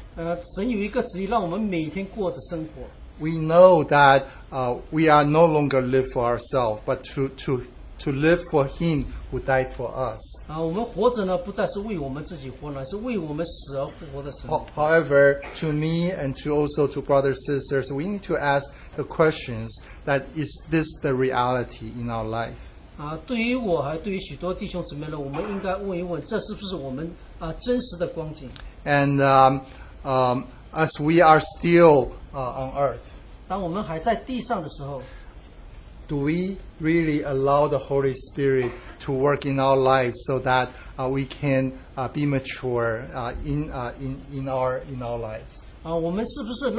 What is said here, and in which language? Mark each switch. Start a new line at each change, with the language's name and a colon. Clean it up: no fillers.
English: We know that we are no longer live for ourselves, but to live for Him who died for us.
Chinese: 我们活着呢，不再是为我们自己活，乃是为我们死而复活的神。
English: However, to me and to also to brothers and sisters, we need to ask the questions that is this the reality in our life?
Chinese: 对于我还对于许多弟兄姊妹呢，我们应该问一问，这是不是我们真实的光景？
English: And as we are still on earth,
Chinese: 当我们还在地上的时候,
English: do we really allow the Holy Spirit to work in our lives so that we can be mature in our life?